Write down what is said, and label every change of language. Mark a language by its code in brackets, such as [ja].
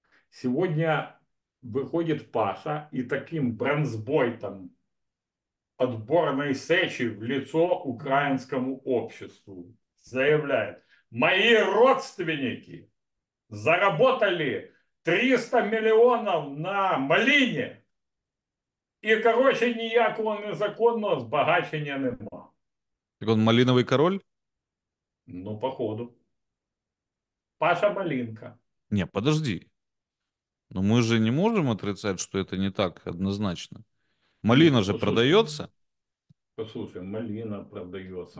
[ru] Сегодня выходит Паша и таким бронзбойтом отборной сечи в лицо украинскому обществу заявляет: мои родственники заработали 300 миллионов на малине. И, короче, [uk] ніякого незаконного збагачення нема. [ru] Так он малиновый король? Ну, походу. Паша Малинка. Не, подожди. Но мы же не можем отрицать, что это не так однозначно. Малина же продается. Послушай, малина продается.